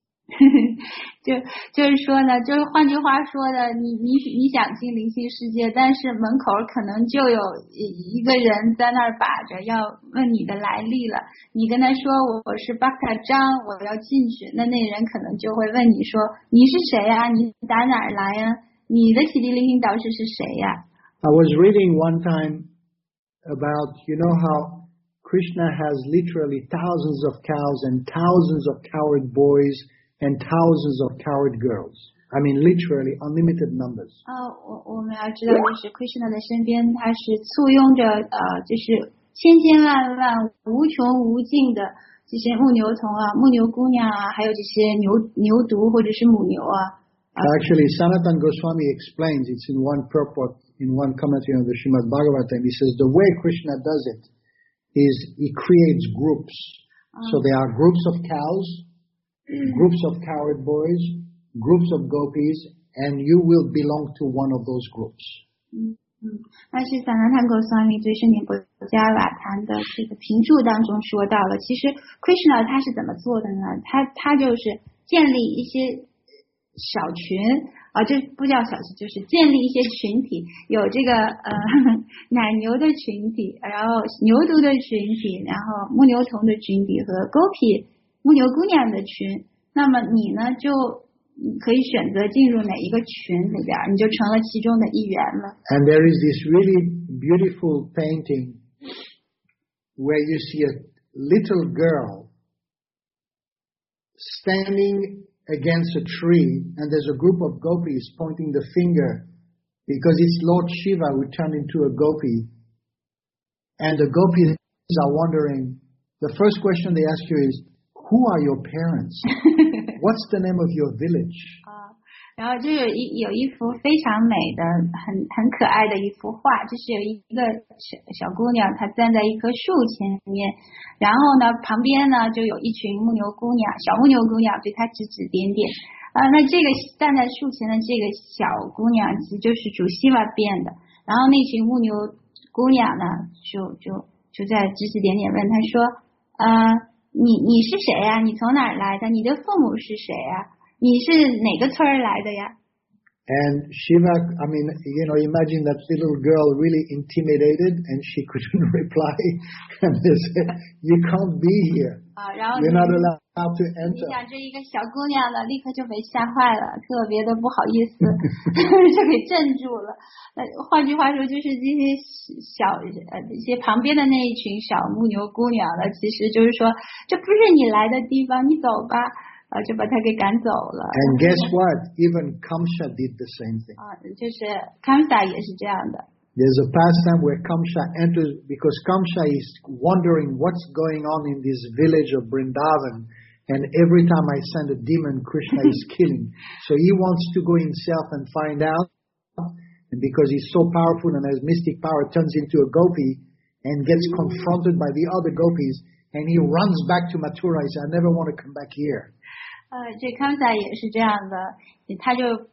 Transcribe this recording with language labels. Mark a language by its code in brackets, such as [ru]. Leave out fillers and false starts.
[zh] 就是说呢，就是换句话说的，你想进灵性世界，但是门口可能就有一个人在那儿把着，要问你的来历了。你跟他说我是巴卡张，我要进去，那人可能就会问你说你是谁呀？你打哪儿来呀？你的启迪灵性导师是谁呀 [en] ？I was reading one time about you know how Krishna has literally thousands of cows and thousands of coward boys. And thousands of coward girls. I mean, literally unlimited numbers. [zh] 我们要知道的是 ，Krishna 的身边，他是簇拥着就是千千万万、无穷无尽的这些牧牛童啊、牧牛姑娘啊，还有这些牛犊或者是母牛啊。 [en] Actually, Sanatan Goswami explains it's in one purport, in one commentary on the Srimad Bhagavatam. He says the way Krishna does it is he creates groups. So there are groups of cows. Groups of coward boys, groups of gopis, and you will belong to one of those groups. [zh] 嗯嗯，那是萨拉坦戈斯瓦米对圣严波加瓦坦的这个评注当中说到了。其实 Krishna 他是怎么做的呢？他就是建立一些小群啊，就不叫小群，就是建立一些群体，有这个奶牛的群体，然后牛犊的群体，然后牧牛童的群体和 gopi。牧牛姑娘的群，那么你呢就可以选择进入哪一个群里边，你就成了其中的一员了。 [en] And there is this really beautiful painting where you see a little girl standing against a tree, and there's a group of gopis pointing the finger because it's Lord Shiva who turned into a gopi, and the gopis are wondering. The first question they ask you is. Who are your parents? What's the name of your village? [zh] 然后就有一幅非常美的、很可爱的一幅画，就是有一个小姑娘，她站在一棵树前面，然后呢，旁边呢就有一群牧牛姑娘，小牧牛姑娘对她指指点点。那这个站在树前的这个小姑娘，其实就是主希瓦变的。然后那群牧牛姑娘呢，就在指指点点问她说，你是谁呀？你从哪儿来的？你的父母是谁呀？你是哪个村儿来的呀 [en] ？And Shiva, I mean, you know, imagine that little girl really intimidated, and she couldn't reply. And they said, "You can't be here. You're not allowed to enter." [zh] 你想这一个小姑娘呢，立刻就被吓坏了，特别的不好意思，就给镇住了。换句话说，就是这些小一些旁边的那一群小牧牛姑娘呢，其实就是说，这不是你来的地方，你走吧。就把他给赶走了。 [en] And guess what? Even Kamsa did the same thing. [zh] 就是 Kamsa 也是这样的。 [en] There's a pastime where Kamsa enters because Kamsa is wondering what's going on in this village of Vrindavan, and every time I send a demon, Krishna is killing. So he wants to go himself and find out, and because he's so powerful and has mystic power, turns into a gopi and gets confronted by the other gopis, and he runs back to Mathura. He says, "I never want to come back here." [zh] 这康萨也是这样的，他就